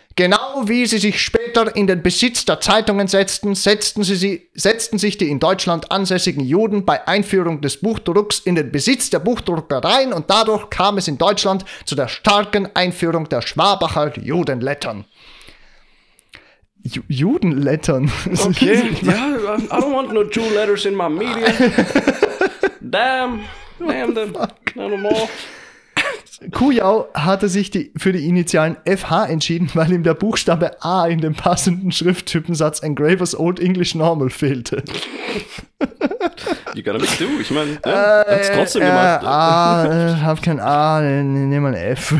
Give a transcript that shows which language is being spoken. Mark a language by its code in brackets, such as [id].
[de] Genau wie sie sich später in den Besitz der Zeitungen setzten sich die in Deutschland ansässigen Juden bei Einführung des Buchdrucks in den Besitz der Buchdruckereien und dadurch kam es in Deutschland zu der starken Einführung der Schwabacher Judenlettern. Judenlettern? [en] Okay, ja, yeah, I don't want no Jew letters in my media. Damn, damn them, no more. [de] Kujau hatte sich für die Initialen FH entschieden, weil ihm der Buchstabe A in dem passenden Schrifttypensatz Engravers Old English Normal fehlte. [en] You gotta be true. [de] Ich meine, hat's trotzdem gemacht. Hab kein A, nehm mal ein F.